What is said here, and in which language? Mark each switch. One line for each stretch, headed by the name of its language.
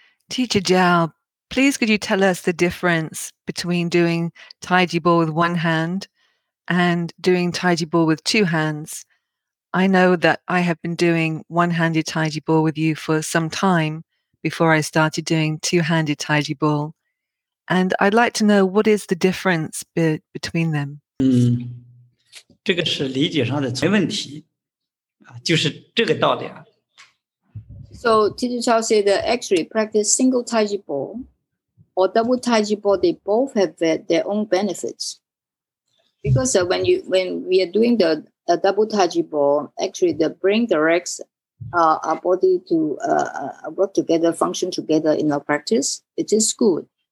English: Teacher Zhao, please could you tell us the difference between doing Tai Chi Ball with one hand and doing Tai Chi Ball with two hands? I know that I have been doing one-handed Tai Chi Ball with you for some time before I started doing two-handed Tai Chi Ball. And I'd like to know what is the difference between them.
Chinese: 这个是理解上的问题，就是这个道理啊。
English: So Teacher Chao said that actually practice single Tai Chi Ball or double Tai Chi Ball, they both have their own benefits. Because when we are doing the double Tai Chi Ball, actually the brain directs our body to work together, function together in our practice. It is good.